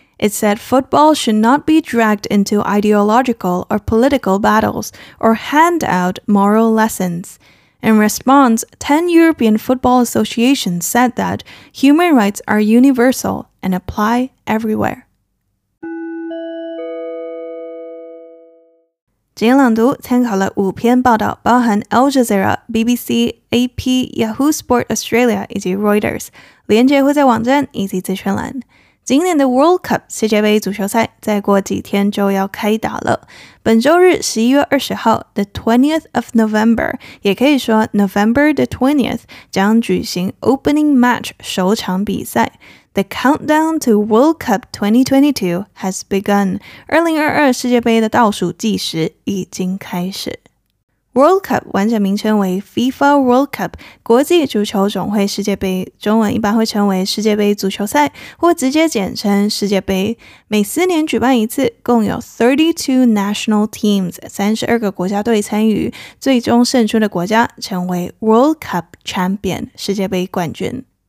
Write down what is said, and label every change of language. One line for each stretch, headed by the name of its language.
English: It said football should not be dragged into ideological or political battles or hand out moral lessons. In response, 10 European football associations said that human rights are universal and apply everywhere.
Chinese: 今天朗读参考了五篇报道，包含 Al Jazeera、BBC、AP、Yahoo Sport Australia 以及 Reuters， 连结会在网站以及资讯栏。今年的 World Cup 世界杯足球赛再过几天就要开打了。本周日11月20号
English: The 20th of November，
Chinese: 也可以说
English: November the 20th，
Chinese: 将举行
English: Opening Match
Chinese: 首场比赛。
English: The countdown to World Cup 2022 has begun，
Chinese: 2022世界杯的倒数计时已经开始。 World Cup 完整名称为 FIFA World Cup 国际足球总会世界杯，中文一般会称为世界杯足球赛，或直接简称世界杯。每四年举办一次，共有
English: 32 national teams
Chinese: 32个国家队参与，最终胜出的国家成为
English: World Cup champion
Chinese: 世界杯冠军。